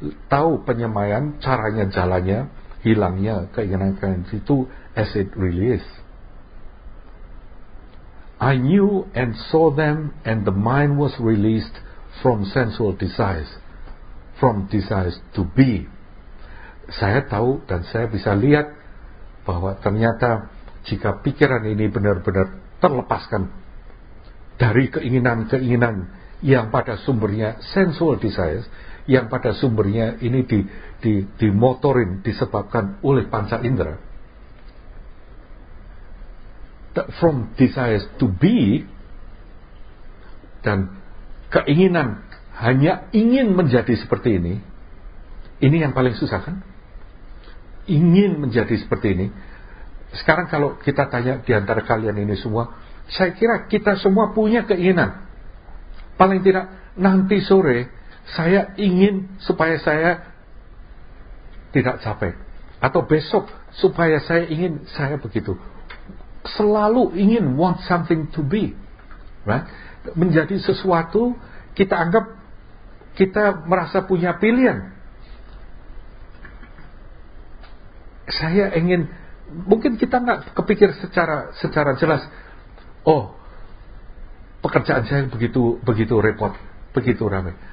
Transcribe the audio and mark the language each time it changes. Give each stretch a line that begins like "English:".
Indonesian: Tahu penyemaian, caranya, jalannya, hilangnya keinginan-keinginan itu
English: as it really is. I knew and saw them and the mind was released from sensual desires, from desires to be.
Indonesian: Saya tahu dan saya bisa lihat bahwa ternyata jika pikiran ini benar-benar terlepaskan dari keinginan-keinginan yang pada sumbernya
English: sensual desires,
Indonesian: yang pada sumbernya ini dimotorin, disebabkan oleh panca indera.
English: From desires to be,
Indonesian: dan keinginan hanya ingin menjadi seperti ini. Ini yang paling susah kan? Ingin menjadi seperti ini. Sekarang kalau kita tanya di antara kalian ini semua, saya kira kita semua punya keinginan. Paling tidak nanti sore saya ingin supaya saya tidak capek, atau besok supaya saya ingin saya begitu. Selalu ingin,
English: want something to be, right?
Indonesian: Menjadi sesuatu, kita anggap kita merasa punya pilihan. Saya ingin, mungkin kita enggak kepikir secara jelas, oh, pekerjaan saya begitu begitu repot, begitu ramai.